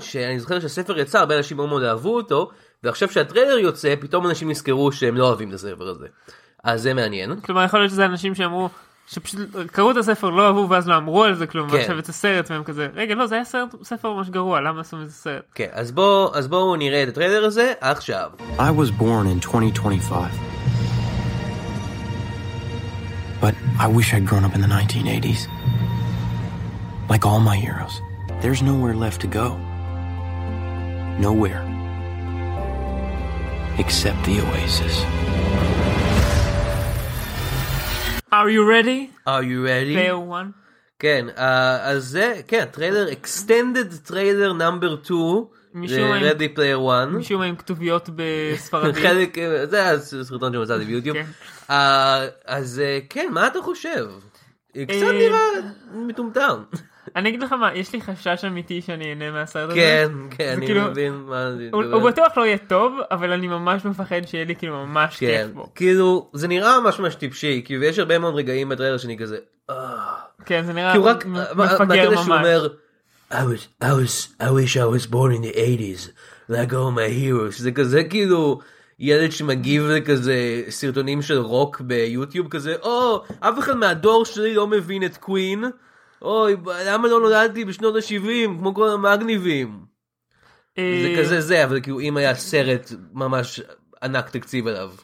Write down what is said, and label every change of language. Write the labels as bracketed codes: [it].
[he] שאני זוכר שהספר יצא, הרבה אנשים מאוד אהבו אותו, ועכשיו שהטריילר יוצא, פתאום אנשים נזכרו שהם לא אוהבים את הספר הזה. אז זה מעניין. כלומר, יכול להיות שזה אנשים שאמרו, שפשוט קראו את הספר, לא אהבו, ואז לא אמרו על זה כלום, ועכשיו יצא סרט, והם כזה, רגע, לא, זה היה סרט, ספר ממש גרוע, למה עשו מזה סרט? כן, אז בואו נראה את הטריילר הזה עכשיו. [en] I was born in 2025. But I wish I'd grown up in the 1980s. Like all my heroes, there's nowhere left to go. Nowhere. Except the Oasis. Are you ready? Are you ready? Player one. [he] כן, אז זה, כן, טריילר, [en] extended trailer number 2. [he] ב-Ready Player One. משום מה עם כתוביות בספרדית. חלק, זה הסרטון שמצאתי ביוטיוב. אז כן, מה אתה חושב? קצת נראה מטומטם. אני אגיד לך מה, יש לי חשש אמיתי שאני אענה מהסרט הזה. כן, כן, אני מבין מה זה. הוא בטוח לא יהיה טוב, אבל אני ממש מפחד שיהיה לי כאילו ממש כיף בו. כאילו, זה נראה ממש ממש טיפשי, כי יש הרבה מאוד רגעים בטריילר שאני כזה, כן, זה נראה מפגר ממש. [en] I wish I was born in the 80s like all my heroes. [he] זה כזה כאילו ילד שמגיב לכזה סרטונים של רוק ביוטיוב כזה, או אף אחד מהדור שלי לא מבין את קווין, אוי למה לא נולדתי בשנות ה-70 כמו כל המגניבים. זה כזה זה, אבל כאילו אם היה סרט ממש ענק תקציב עליו.